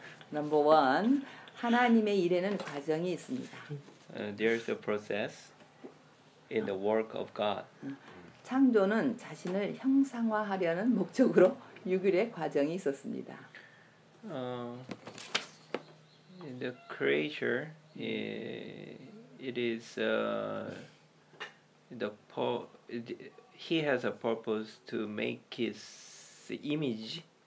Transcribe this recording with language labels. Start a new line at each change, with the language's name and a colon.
Korean: 넘버 원, 하나님의 일에는 과정이 있습니다.
English: There is a process in the work of God.
Korean: 창조는 자신을 형상화하려는 목적으로 6일의 과정이 있었습니다.
English: The creator, he has a purpose to make his image.